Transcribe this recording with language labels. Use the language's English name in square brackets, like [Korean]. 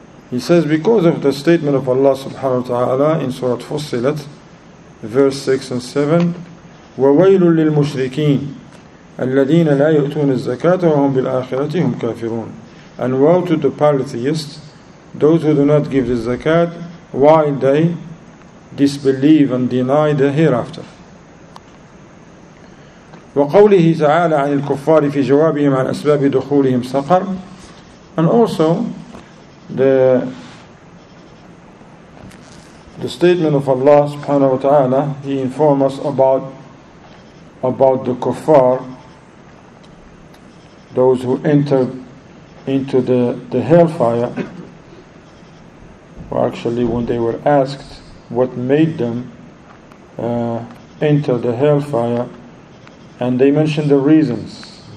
[English] He says, because of the statement of Allah subhanahu wa ta'ala in Surah Fussilat, verse 6 and 7, [Arabic] وَوَيْلٌ لِلْمُشْرِكِينَ الَّذِينَ لَا يُؤْتُونَ الزَّكَاةَ وَهُمْ بِالْآخِرَةِ هُمْ كَافِرُونَ. [English] And woe to the polytheists, those who do not give the zakat, while they disbelieve and deny the hereafter. [Arabic] وقوله تعالى عن الكفار في جوابهم عن أسباب دخولهم سقر. [English] And also the statement of Allah subhanahu wa ta'ala, he informs us about the kuffar, those who enter into the hellfire, or actually when they were asked what made them enter the hellfire, and they mentioned the reasons.